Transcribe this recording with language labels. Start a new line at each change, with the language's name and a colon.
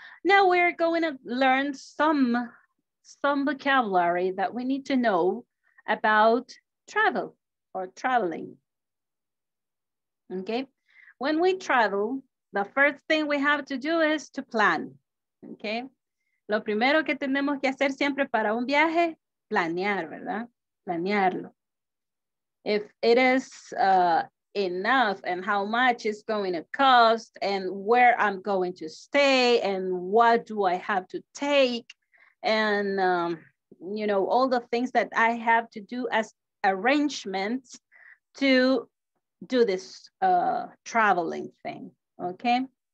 English: Now we're going to learn some vocabulary that we need to know about travel or traveling. Okay, when we travel, the first thing we have to do is to plan.
Spanish: Okay, lo primero que tenemos que hacer siempre para un viaje, planear, ¿verdad? Planearlo.
English: If it is enough and how much it's going to cost and where I'm going to stay and what do I have to take, and you know, all the things that I have to do as arrangements to do this traveling thing, okay?